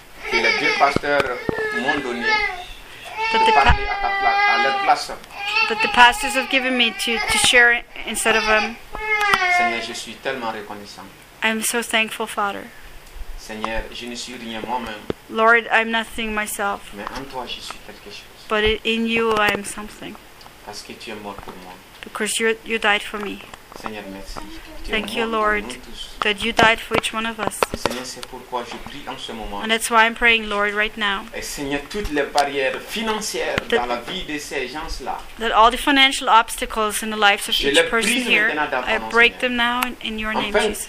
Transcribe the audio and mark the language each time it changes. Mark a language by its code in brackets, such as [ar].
[fr] Que les deux pasteurs m'ont donné. À leur place. [en] That the pastors have given me to share instead of them. [fr] Seigneur, je suis tellement reconnaissant. [en] I'm so thankful, Father. [fr] Seigneur, je ne suis rien moi-même. [en] Lord, I'm nothing myself. [fr] Mais en toi, je suis quelque chose. [en] But in you, I am something. [fr] Parce que tu es mort pour moi. [en] Because you died for me. [fr] Seigneur, merci. [en] Thank you, Lord, that you died for each one of us. [fr] Seigneur, c'est pourquoi je prie en ce moment. [en] And that's why I'm praying, Lord, right now. [fr] Et Seigneur, toutes les barrières financières dans la vie de ces gens-là. [en] That all the financial obstacles in the lives of each person here, I break them now in your name, Jesus.